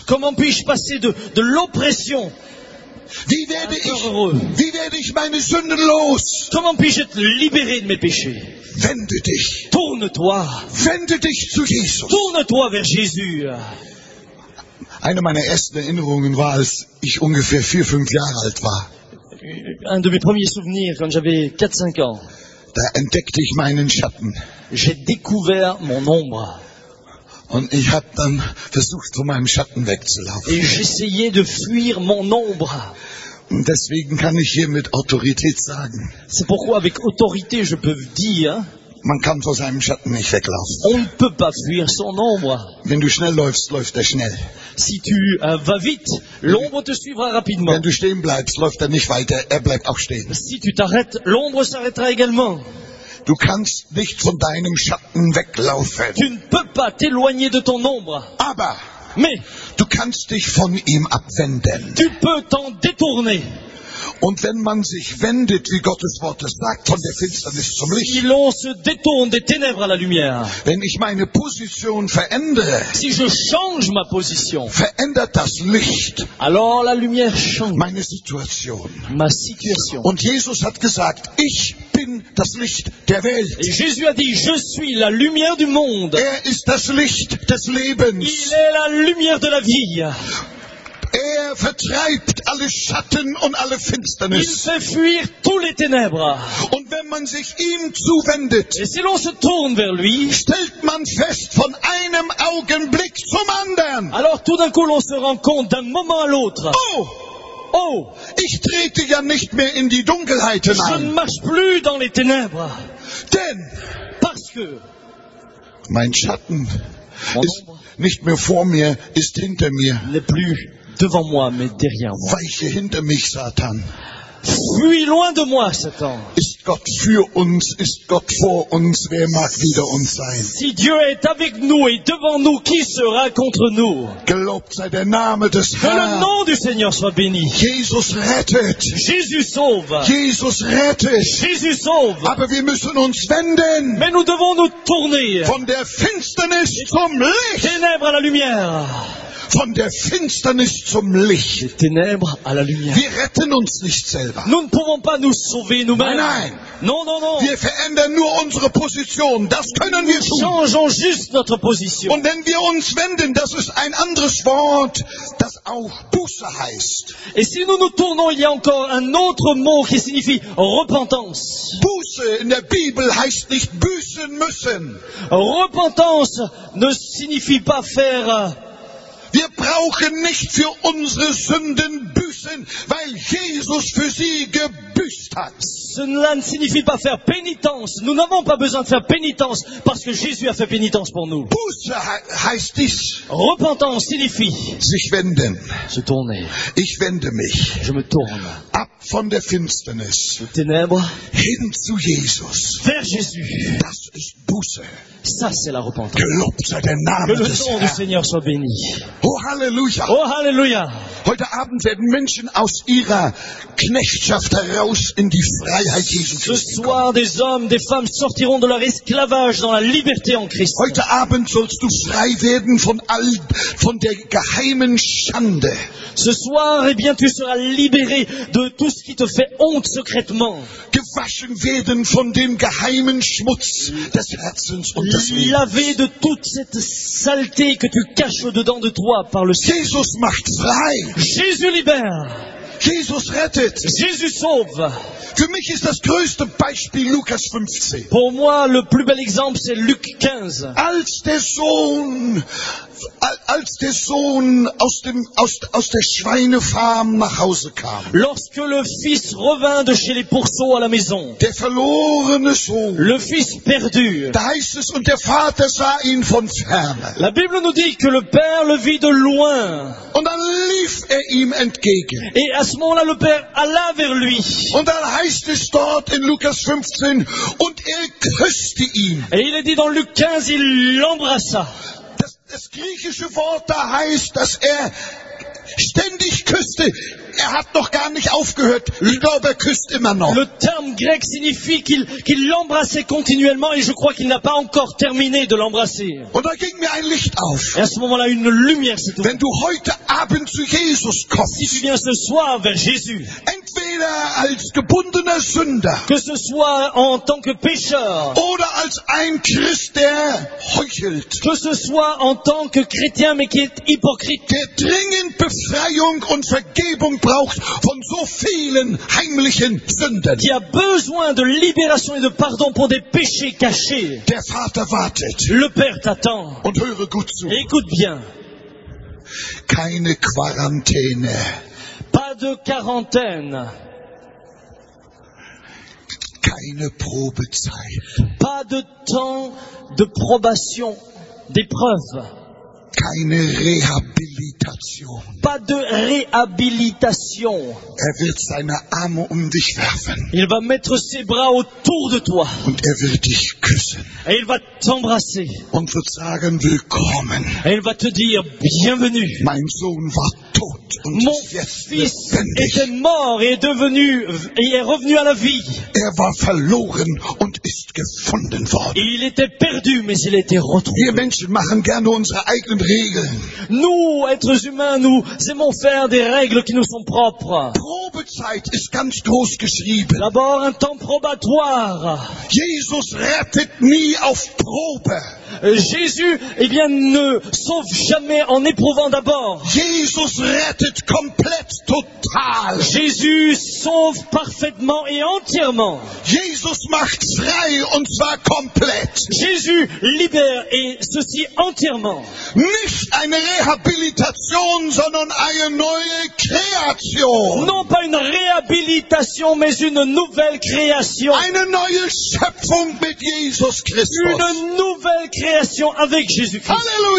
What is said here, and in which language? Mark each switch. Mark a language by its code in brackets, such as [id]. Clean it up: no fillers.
[fr] Comment puis-je passer de l'oppression? [de] Wie werde ich meine Sünden los? [fr] Comment puis-je être libéré de mes péchés? [de] Wende dich. [fr] Tourne-toi. [de] Wende dich zu Jesus. [fr] Tourne-toi vers Jésus. [de] Eine meiner ersten Erinnerungen war, als ich ungefähr 4-5 Jahre alt war. [fr] Un de mes premiers souvenirs quand j'avais 4-5 ans. [de] Da entdeckte ich meinen Schatten. [fr] J'ai découvert mon ombre. [de] Und ich habe dann versucht, von meinem Schatten wegzulaufen. [fr] Et j'essayais de fuir mon ombre. [de] Und deswegen kann ich hier mit Autorität sagen. [fr] C'est pourquoi avec autorité je peux dire. [de] Man kann vor seinem Schatten nicht weglaufen. [fr] On ne peut pas fuir son ombre. [de] Wenn du schnell läufst, läuft er schnell. [fr] Si tu vas vite, l'ombre te suivra rapidement. [de] Wenn du stehen bleibst, läuft er nicht weiter, er bleibt auch stehen. [fr] Si tu t'arrêtes, l'ombre s'arrêtera également. [de] Du kannst nicht von deinem Schatten weglaufen. [fr] Tu ne peux pas t'éloigner de ton ombre. [de] Aber [fr] mais [de] du kannst dich von ihm abwenden. [fr] Tu peux t'en détourner. [de] Und wenn man sich wendet, wie Gottes Wort es sagt, von der Finsternis zum Licht. [fr] Si l'on se détourne des ténèbres à la lumière. [de] Wenn ich meine Position verändere. [fr] Si je change ma position. [de] Verändert das Licht. [fr] Alors la lumière change. [de] Meine Situation. [fr] Ma situation. [de] Und Jesus hat gesagt, ich bin das Licht der Welt. [fr] Et Jésus a dit, je suis la lumière du monde. [de] Er ist das Licht des Lebens. [fr] Il est la lumière de la vie. [de] Er vertreibt alle Schatten und alle Finsternis. [fr] Il fait fuir tous les ténèbres. [de] Und wenn man sich ihm zuwendet, [fr] et si l'on se tourne vers lui, [de] stellt man fest, von einem Augenblick zum anderen. [fr] Alors tout d'un coup, l'on se rend compte d'un moment à l'autre. [de] Oh, ich trete ja nicht mehr in die Dunkelheit hinein. [fr] Je ne marche plus dans les ténèbres. [de] Denn, [fr] parce que, [de] mein Schatten ist nicht mehr vor mir, ist hinter mir. [fr] N'est plus devant moi, mais derrière moi. [de] Weiche hinter mich, Satan. [fr] Fuis loin de moi, Satan. [de] Ist Gott für uns, ist Gott vor uns, wer mag wieder uns sein? [fr] Si Dieu est avec nous et devant nous, qui sera contre nous? [de] Gelobt sei der Name des Herrn. [fr] Que le nom du Seigneur soit béni. [de] Jesus rettet. [fr] Jésus sauve. [de] Jesus rettet. [fr] Jésus sauve. [de] Aber wir müssen uns wenden. [fr] Mais nous devons nous tourner. [de] Von der Finsternis zum Licht. [fr] Ténèbres à la lumière. [de] Von der Finsternis zum Licht. [fr] Les ténèbres à la lumière. [de] Wir retten uns nicht selber. [fr] Nous ne pouvons pas nous sauver nous-mêmes. [de] Nein, [fr] non, non, non. [de] Wir verändern nur unsere Position. Das können [fr] nous [de] wir tun. [fr] Changeons juste notre position. [de] Und wenn wir uns wenden, das ist ein anderes Wort, das auch Buße heißt. [fr] Et si nous nous tournons, il y a encore un autre mot qui signifie repentance. [de] Buße in der Bibel heißt nicht büßen müssen. [fr] Repentance ne signifie pas faire. [de] Wir brauchen nicht für unsere Sünden büßen, weil Jesus für sie gebüßt hat. [fr] Cela ne signifie pas faire pénitence. Nous n'avons pas besoin de faire pénitence parce que Jésus a fait pénitence pour nous. [de] Buße heißt dies. [fr] Repentance signifie [de] sich wenden. [fr] Se tourner. [de] Ich wende mich. [fr] Je me tourne. [de] Ab von der Finsternis. [fr] Des ténèbres. [de] Hin zu Jesus. [fr] Vers Jésus. [de] Das ist Buße. [fr] Ça, c'est la repentance. [de] Der Name [fr] que le nom du Seigneur soit béni. [de] Oh, Halleluja. [fr] Oh, Halleluja. [de] Heute Abend werden Menschen aus ihrer Knechtschaft heraus in die Freiheit Jesu Christi kommen. [fr] Ce soir, des hommes, des femmes sortiront de leur esclavage dans la liberté en Christ. [de] Heute Abend sollst du frei werden von der geheimen Schande. [fr] Ce soir, eh bien, tu seras libéré de tout ce qui te fait honte secrètement. [de] Gewaschen werden von dem geheimen Schmutz des Herzens und des Lebens. [fr] Lavé de toute cette saleté que tu caches au-dedans de toi par le Seigneur. [de] Jesus macht frei. [fr] Jésus libère. [de] Jesus rettet. [fr] Jésus sauve. [de] Für mich ist das größte Beispiel Lukas 15. [fr] Pour moi, le plus bel exemple, c'est Luc 15. [de] Als der Sohn aus der Schweinefarm nach Hause kam. [fr] Lorsque le fils revint de chez les pourceaux à la maison. [de] Der verlorene Sohn. [fr] Le fils perdu. [de] Da heißt es, und der Vater sah ihn von ferne. [fr] La Bible nous dit que le père le vit de loin. [de] Und dann lief er ihm entgegen. [fr] Et à ce moment-là, le père alla vers lui. [de] Und dann heißt es dort in Lukas 15, und er küsste ihn. [fr] Et il est dit dans Luc 15, il l'embrassa. [de] Das griechische Wort da heißt, dass er ständig küsste. Er hat noch gar nicht aufgehört. Ich glaube, er küsst immer noch. [fr] Le terme grec signifie qu'il l'embrassait continuellement et je crois qu'il n'a pas encore terminé de l'embrasser. [de] Und da ging mir ein Licht auf. [fr] Et à ce moment-là, une lumière s'est ouverte. [de] Wenn du heute Abend zu Jesus kommst, [fr] si tu viens ce soir vers Jésus, [de] entweder einer als gebundener Sünder, [fr] que ce soit en tant que pécheur, [de] oder als ein Christ, der heuchelt, [fr] que ce soit en tant que chrétien mais qui est hypocrite, [de] der dringend Befreiung und Vergebung braucht von so vielen heimlichen Sünden, [fr] qui a besoin de libération et de pardon pour des péchés cachés. [de] Der Vater wartet. [fr] Le Père t'attend. [de] Und höre gut zu. [fr] Écoute bien. [de] Keine Quarantäne. [fr] Pas de quarantaine. [de] Keine Probezeit. [fr] Pas de temps de probation, d'épreuve. [de] Keine Rehabilitation. [fr] Pas de réhabilitation. [de] Er wird seine Arme um dich werfen. [fr] Il va mettre ses bras autour de toi. [de] Und er wird dich küssen. [fr] Et il va t'embrasser. [de] Und wird sagen, willkommen. [fr] Et il va te dire, bienvenue. [de] Mein Sohn war tot und [fr] mon fils était mort et est revenu à la vie. [de] Er war verloren und ist gefunden worden. [fr] Il était perdu, mais il était retrouvé. [de] Wir Menschen machen gerne unsere eigenen Regeln. [fr] Nous, êtres humains, nous aimons faire des règles qui nous sont propres. [de] Probezeit ist ganz groß geschrieben. [fr] D'abord un temps probatoire. [de] Jesus rettet nie auf Probe. [fr] Jésus, eh bien, ne sauve jamais en éprouvant d'abord. [de] Jesus rettet komplett, total. [fr] Jésus sauve parfaitement et entièrement. [de] Jesus macht frei und zwar komplett. [fr] Jésus libère et ceci entièrement. [de] Nicht eine Rehabilitation, sondern eine neue Kreation. [fr] Non pas une réhabilitation, mais une nouvelle création. [de] Eine neue Schöpfung mit Jesus Christus. [fr] Une nouvelle création avec Jésus-Christ.